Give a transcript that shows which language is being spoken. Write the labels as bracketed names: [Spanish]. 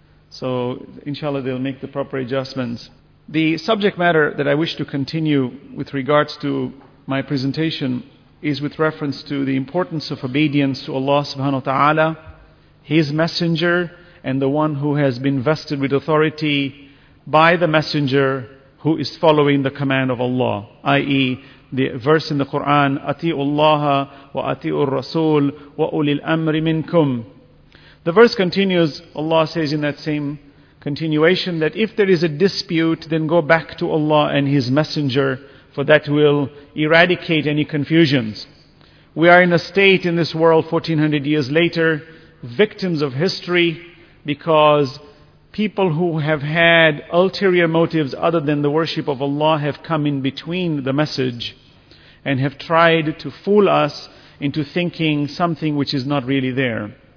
[English] So inshallah they'll make the proper adjustments. The subject matter that I wish to continue with regards to my presentation is with reference to the importance of obedience to Allah subhanahu wa ta'ala, His Messenger, and the one who has been vested with authority by the Messenger who is following the command of Allah, i.e. the verse in the Quran, [Arabic] أَتِيُوا اللَّهَ وَأَتِيُوا الرَّسُولَ وَأُولِي الْأَمْرِ مِنْكُمْ. [English] The verse continues, Allah says in that same continuation, that if there is a dispute, then go back to Allah and His Messenger, for that will eradicate any confusions. We are in a state in this world 1400 years later, victims of history, because people who have had ulterior motives other than the worship of Allah have come in between the message and have tried to fool us into thinking something which is not really there.